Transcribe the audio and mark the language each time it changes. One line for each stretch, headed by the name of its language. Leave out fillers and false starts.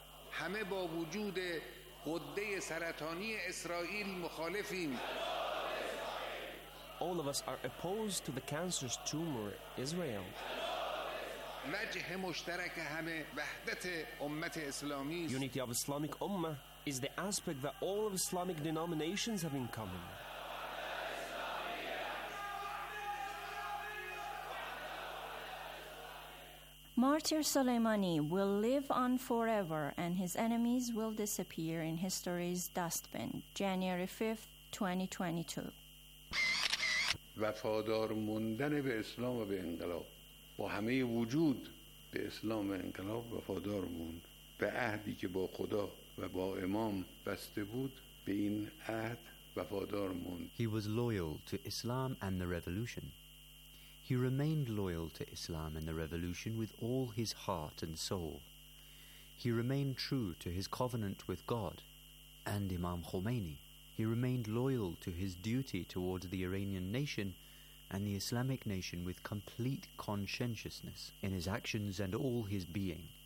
Persian: همه با وجود غده سرطانی اسرائیل مخالفیم.
English: All of us are opposed to the cancerous tumor Israel.
Persian: وجه مشترک همه وحدت امت اسلامی.
English: Unity of Islamic Ummah is the aspect that all of Islamic denominations have in common. Martyr Soleimani will live on forever and his enemies will disappear in history's dustbin, January 5th, 2022.
Persian: وفادار موندن به اسلام و به انقلاب با همه وجود به اسلام و انقلاب وفادار موند به عهدی که با خدا و با امام بسته بود به این عهد وفادار موند
English: He was loyal to Islam and the revolution. He remained loyal to Islam and the revolution with all his heart and soul. He remained true to his covenant with God and Imam Khomeini. He remained loyal to his duty towards the Iranian nation and the Islamic nation with complete conscientiousness in his actions and all his being.